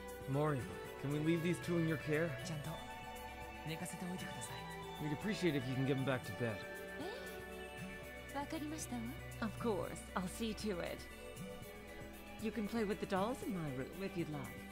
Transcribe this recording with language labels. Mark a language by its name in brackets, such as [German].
[English] Mario, can we leave these two in your care? [Japanese] ちゃんと寝かせておいてください. [English] We'd appreciate if you can get them back to bed. [Japanese] え?わかりましたわ. [English] Of course, I'll see to it. You can play with the dolls in my room if you'd like.